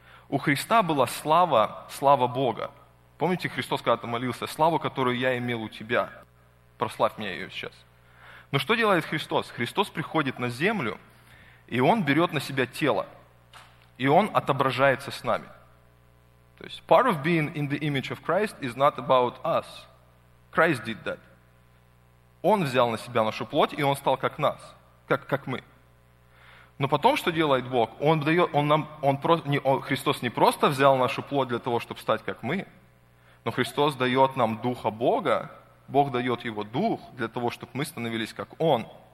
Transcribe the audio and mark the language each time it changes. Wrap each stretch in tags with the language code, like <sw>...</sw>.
<ru>У Христа была слава, слава Бога. Помните, Христос когда-то молился: «Славу, которую я имел у тебя, прославь мне ее сейчас». Но что делает Христос? Христос приходит на землю, и Он берет на Себя тело, и Он отображается с нами. То есть,</ru> <en>part of being in the image of Christ is not about us. Christ did that.</en> <ru>Он взял на Себя нашу плоть, и Он стал как нас, как мы. Но потом, что делает Бог? Христос не просто взял нашу плоть для того, чтобы стать как мы, но Христос дает нам Духа Бога, Бог дает Его Дух для того, чтобы мы становились как Он.</ru>